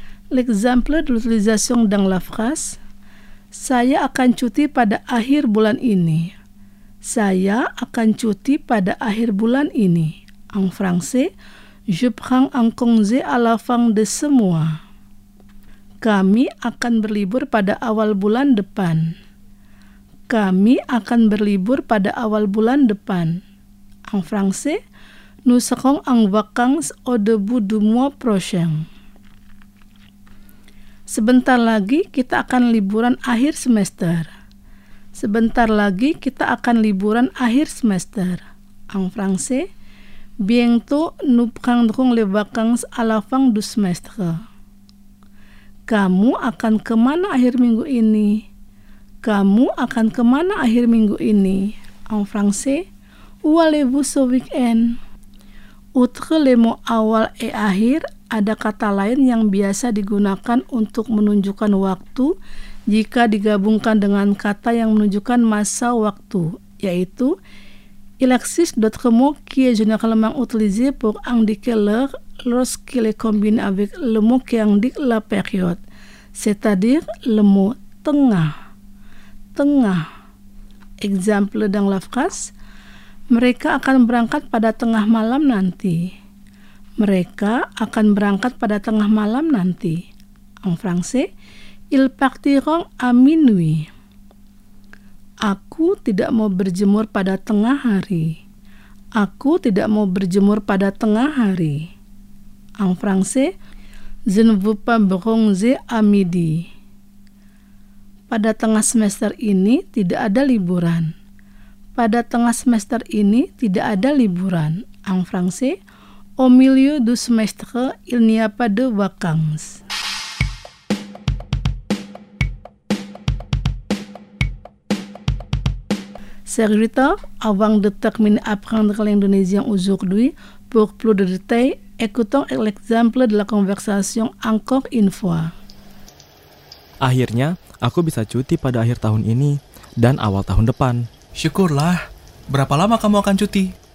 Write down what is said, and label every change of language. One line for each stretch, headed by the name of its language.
French: L'exemple de l'utilisation dans la phrase.
Indonesian: Saya akan cuti pada akhir bulan ini. Saya akan cuti pada akhir bulan ini.
French: En français, je prends un congé à la fin de ce mois.
Indonesian: Kami akan berlibur pada awal bulan depan. Kami akan berlibur pada awal bulan depan.
French: En français, nous serons en vacances au début du mois prochain.
Indonesian: Sebentar lagi kita akan liburan akhir semester. Sebentar lagi kita akan liburan akhir semester.
French: En français, bientôt nous prendrons les vacances à la fin du semestre.
Indonesian: Kamu akan kemana akhir minggu ini? Kamu akan kemana akhir minggu ini?
French: En français, où allez-vous ce week-end? Outre les mots awal et akhir,
Indonesian: ada kata lain yang biasa digunakan untuk menunjukkan waktu jika digabungkan dengan kata yang menunjukkan masa waktu, yaitu
French: il existe d'autres mots qui est généralement utilisé pour indiquer l'heure lorsqu'il est combiné avec le mot qui indique la période, c'est-à-dire le mot tengah. Tengah. Exemple dans la phrase,
Indonesian: mereka akan berangkat pada tengah malam nanti. Mereka akan berangkat pada tengah malam nanti.
French: En français, ils partiront à minuit.
Indonesian: Aku tidak mau berjemur pada tengah hari. Aku tidak mau berjemur pada tengah hari.
French: En français, je ne veux pas bronzer à midi.
Indonesian: Pada tengah semester ini tidak ada liburan. Pada tengah semester ini tidak ada liburan.
French: En français, au milieu du semestre, il n'y a pas de vacances. Serguita, avant de terminer apprendre l'indonésien aujourd'hui, pour plus de détails, écoutons l'exemple de la conversation encore une fois.
Indonesian: Akhirnya, aku bisa cuti pada akhir tahun ini dan awal tahun depan. Syukurlah. Berapa lama kamu akan cuti?